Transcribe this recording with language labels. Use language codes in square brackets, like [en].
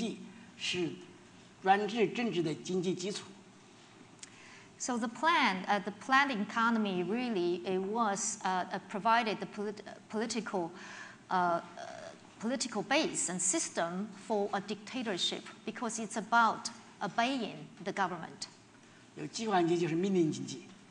[zh] 刺激经济的计划，他也开始。另外，这个计划经济又当局的计划经济，所以必须听从当局的话。所以，计划经济是专制政治的经济基础。 [en] So the planned economy really it was provided the political base and system for a dictatorship because it's about obeying the government. [zh] 有计划经济就是命令经济。